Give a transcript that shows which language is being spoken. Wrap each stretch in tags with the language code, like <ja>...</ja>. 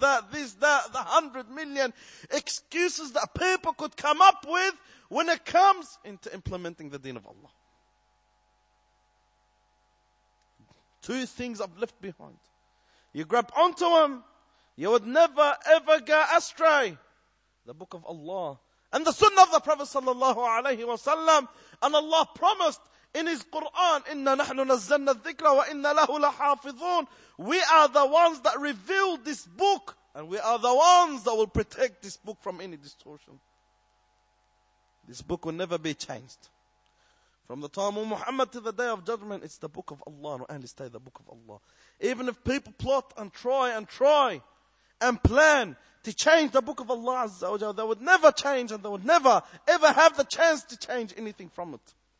<en>The 100 million excuses that people could come up with when it comes into implementing the deen of Allah. Two things I've left behind. You grab onto them, you would never ever go astray. The book of Allah and the sunnah of the Prophet sallallahu alayhi wasallam. And Allah promised in His Quran,</en> <ar>إِنَّ نَحْنُ نَزَّلْنَا الذِّكْرَ وَإِنَّ لَهُ لَحَافِظُونَ.</ar> <en>We are the ones that revealed this book, and we are the ones that will protect this book from any distortion. This book will never be changed. From the time of Muhammad to the Day of Judgment, it's the book of Allah, and only stay the book of Allah. Even if people plot and try and plan to change the book of Allah Azza wa Jalla, they would never change, and they would never ever have the chance to change anything from it.</en>